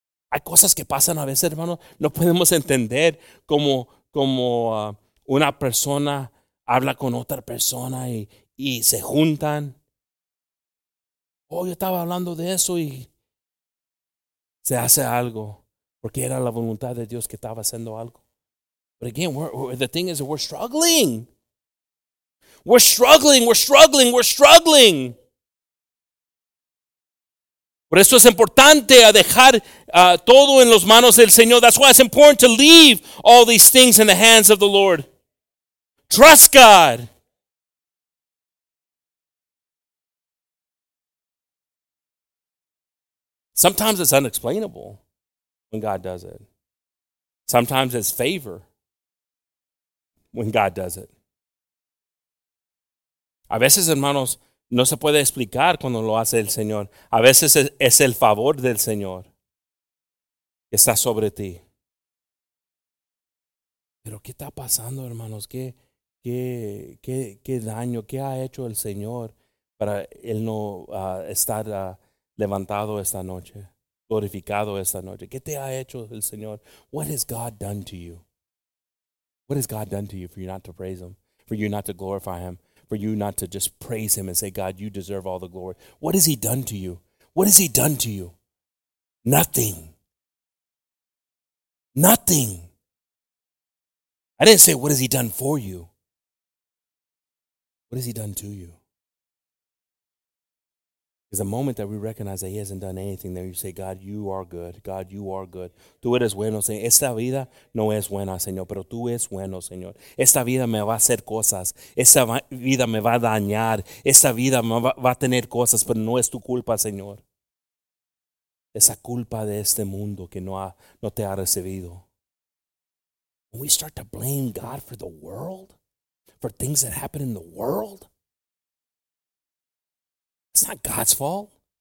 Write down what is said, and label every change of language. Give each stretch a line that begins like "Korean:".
Spanish: Hay cosas que pasan a veces, hermanos, no podemos entender cómo una persona habla con otra persona y se juntan. Oh, yo estaba hablando de eso y se hace algo porque era la voluntad de Dios que estaba haciendo algo.
English: But again, the thing is that we're struggling. We're struggling, we're struggling, we're struggling.
Spanish: Por eso es importante a dejar todo en las manos del Señor.
English: That's why it's important to leave all these things in the hands of the Lord. Trust God. Sometimes it's unexplainable when God does it. Sometimes it's favor when God does it.
Spanish: A veces, hermanos, no se puede explicar cuando lo hace el Señor. A veces es el favor del Señor que está sobre ti. ¿Pero qué está pasando, hermanos? ¿Qué, qué daño, qué ha hecho el Señor para él no estar levantado esta noche, glorificado esta noche. ¿Qué te ha hecho el Señor?
English: What has God done to you? What has God done to you for you not to praise him, for you not to glorify him, for you not to just praise him and say, God, you deserve all the glory? What has he done to you? What has he done to you? Nothing. Nothing. I didn't say, what has he done for you? What has he done to you? Because the moment that we recognize that he hasn't done anything, then you say, God, you are good. God, you are good.
Spanish: Tú eres bueno, Señor. Esta vida no es buena, Señor, pero tú eres bueno, Señor. Esta vida me va a hacer cosas. Esta vida me va a dañar. Esta vida me va a tener cosas, pero no es tu culpa, Señor. Esa culpa de este mundo que no te ha recibido.
English: When we start to blame God for the world, for things that happen in the world, it's not God's fault.